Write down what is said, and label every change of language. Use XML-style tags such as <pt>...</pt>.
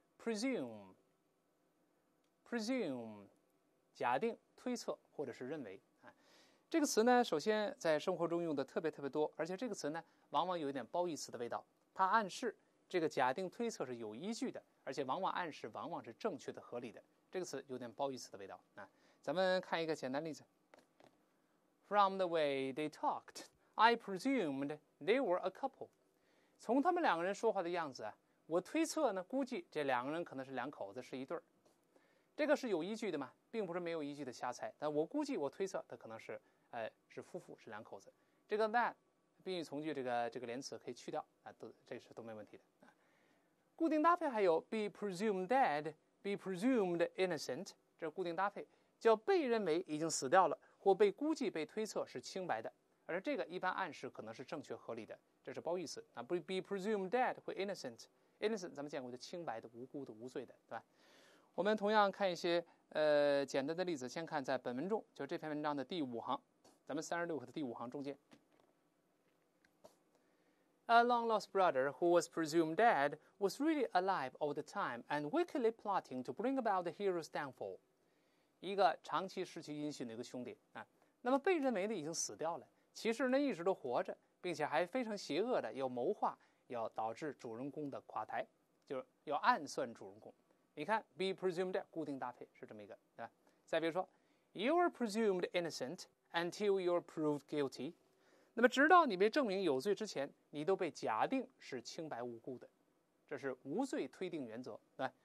<zh>Presume， 假定、推测或者是认为啊，这个词呢，首先在生活中用的特别特别多，而且这个词呢，往往有一点褒义词的味道。它暗示这个假定、推测是有依据的，而且往往暗示往往是正确的、合理的。这个词有点褒义词的味道、啊、咱们看一个简单例子。</zh> <en>From the way they talked, I presumed they were a couple.</en> <zh>从他们两个人说话的样子、啊、我推测呢，估计这两个人可能是两口子，是一对。这个是有依据的嘛，并不是没有依据的瞎猜，但我估计我推测的可能是、是夫妇，是两口子。这个 that 宾语从句这个连词可以去掉、啊、都这是都没问题的。固定搭配还有</zh> <en>be presumed dead, be presumed innocent,</en> <zh>这是固定搭配，叫被认为已经死掉了或被估计被推测是清白的，而这个一般暗示可能是正确合理的，这是褒义词、啊、be presumed dead 或 innocent, innocent 咱们见过的清白的无辜的无罪的，对吧？我们同样看一些简单的例子，先看在本文中，就这篇文章的第五行，咱们36课的第五行中间。</zh> <en>A long-lost brother who was presumed dead was really alive all the time and wickedly plotting to bring about the hero's downfall.</en> <zh>一个长期失去音讯的一个兄弟、啊、那么被认为的已经死掉了，其实呢一直都活着，并且还非常邪恶的要谋划要导致主人公的垮台，就是要暗算主人公。你看 be presumed 固定搭配是这么一个，对吧？再比如说</zh> <en>you are presumed innocent until you are proved guilty，</en> <zh>那么直到你被证明有罪之前，你都被假定是清白无辜的，这是无罪推定原则，对吧？</zh>